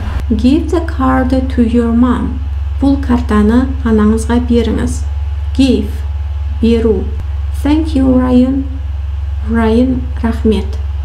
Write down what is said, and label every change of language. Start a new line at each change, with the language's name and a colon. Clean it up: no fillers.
English: Give the card to your mom.
Kazakh: Бұл картаны анаңызға беріңіз.
English: Give.
Kazakh: Беру.
English: Thank you, Ryan. Ryan,
Kazakh: рахмет.